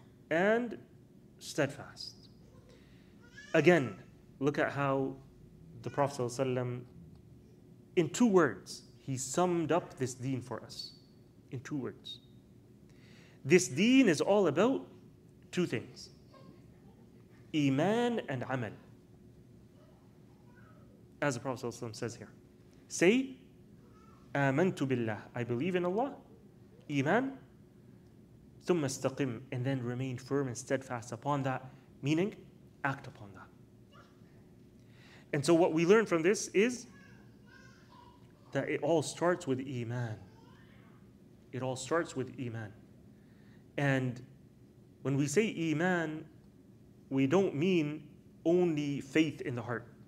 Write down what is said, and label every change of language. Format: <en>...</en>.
<en>and steadfast. Again, look at how the Prophet ﷺ, in two words, he summed up this deen for us. In two words. This deen is all about two things. Iman and amal. As the Prophet ﷺ says here. Say,</en> <ar>آمنت بالله.</ar> <en>I believe in Allah. Iman.</en> <ar>ثم استقم.</ar> <en>And then remain firm and steadfast upon that. Meaning, act upon that. And so what we learn from this is that it all starts with Iman. It all starts with Iman. And when we say Iman, we don't mean only faith in the heart.</en>